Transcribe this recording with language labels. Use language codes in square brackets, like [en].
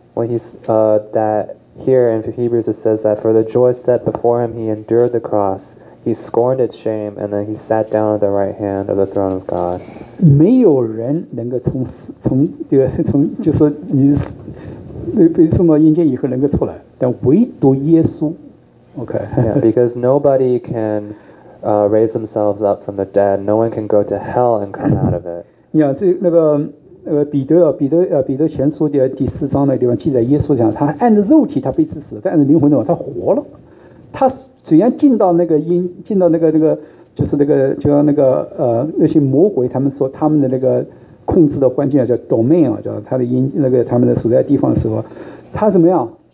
[en] when he saw that here in Hebrews it says that for the joy set before him he endured the cross, he scorned its shame, and then he sat down at the right hand of the throne of God. [zh] 没有人能够从这个从就是你被送到阴间以后能够出来，但唯独耶稣。 Okay. [en] Yeah, because nobody can raise themselves up from the dead. No one can go to hell and come out of it. [zh] Yeah, 这那个彼得前书第四章那地方记载，耶稣讲他按着肉体他被治死，但是灵魂的话他活了。他虽然进到那个阴，进到那个就是那个就像那个那些魔鬼他们说他们的那个控制的环境啊，叫 domain 啊，叫他的阴那个他们的所在地方的时候，他怎么样？